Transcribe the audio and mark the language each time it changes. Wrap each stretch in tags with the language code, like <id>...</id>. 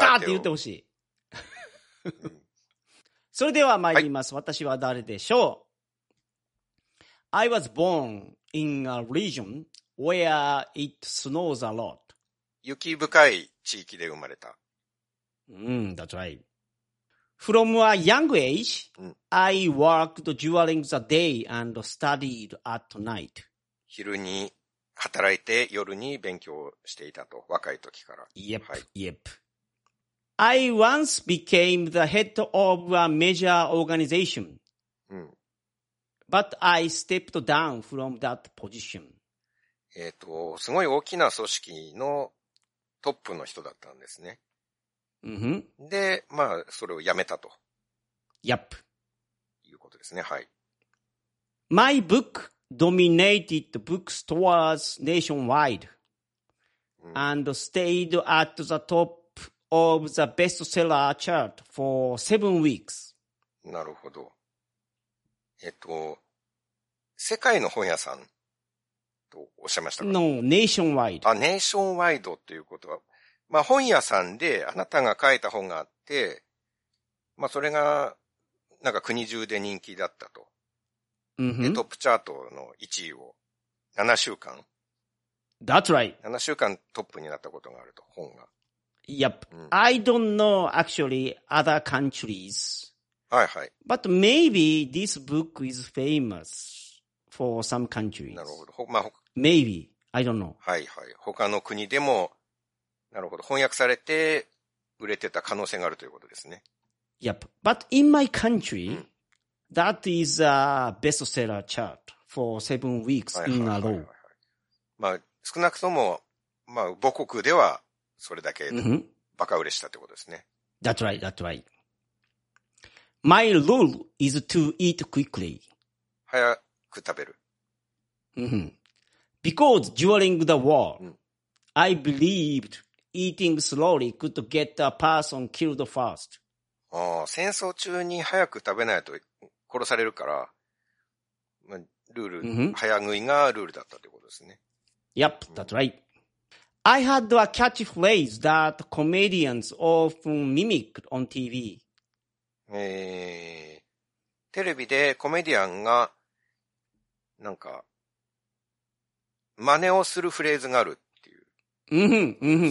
<ja>わかったって言ってほしい。それでは参ります、はい。私は誰でしょう。</ja> <en>I was born in a region where it snows a lot.</en> <ja>雪深い地域で生まれた。</ja> <en>うん、that's right. From a young age,、うん、I worked during the day and studied at night.</en> <ja>昼に働いて夜に勉強していたと、若い時から。</ja> <en>Yep,、はい、yep. I once became the head of a major organization,、うん、but I stepped down from that position.</en> <ja>すごい大きな組織のトップの人だったんですね。うん、で、まあ、それを辞めたと。</ja> <en>Yep.</en> <ja>いうことですね、はい。</ja> <en>My book dominated bookstores nationwide、うん、and stayed at the topof the bestseller chart for 7 weeks.</en> <ja>なるほど。世界の本屋さんとおっしゃいましたか？</ja> <en>No, nationwide.</en> <ja>あ、ネーションワイドということは、まあ本屋さんであなたが書いた本があって、まあそれが、なんか国中で人気だったと。 Mm-hmm. で、トップチャートの1位を7週間。</ja> <en>That's right.</en> <ja>7週間トップになったことがあると、本が。</ja> <en>Yep.、うん、I don't know actually other countries.</en> <ja>はいはい。</ja> <en>But maybe this book is famous for some countries.</en> <ja>なるほど。まあ、</ja> <en>maybe. I don't know.</en> <ja>はいはい。他の国でも、なるほど。翻訳されて売れてた可能性があるということですね。</ja> <en>Yep. But in my country,、うん、that is a bestseller chart for 7 weeks in a row.</en> <ja>まあ、少なくとも、まあ、母国では、それだけバカ売れしたってことですね。</ja> <en>Mm-hmm. That's right, that's right. My rule is to eat quickly.</en> <ja>早く食べる。 Mm-hmm.</ja> <en>Because during the war,、うん、I believed eating slowly could get a person killed fast.</en> <ja>ああ、戦争中に早く食べないと殺されるから、ルール、mm-hmm. 早食いがルールだったってことですね。</ja> <en>Yep, that's right.、うんI had a catchphrase that comedians often mimicked on TV.</en> <ja>テレビでコメディアンが、なんか、真似をするフレーズがあるっていう。</ja>